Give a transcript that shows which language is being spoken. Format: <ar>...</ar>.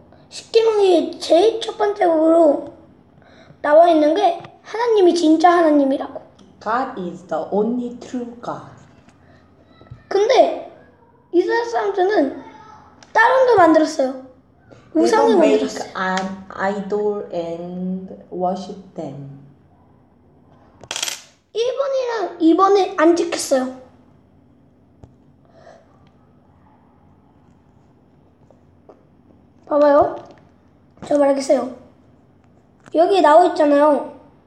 <ko>십계명이 제일 첫 번째로 나와 있는 게 하나님이 진짜 하나님이라고.</ko> <en>God is the only true God.</en> <ko>근데 이스라엘 사람들은 다른 거 만들었어요. 우상을 만들었어요.</ko> <en>They don't make an idol and worship them.</en> <ko>1번이랑 2번을 안 지켰어요. 봐봐요. 저 말하겠어요. 여기 나와 있잖아요.</ko>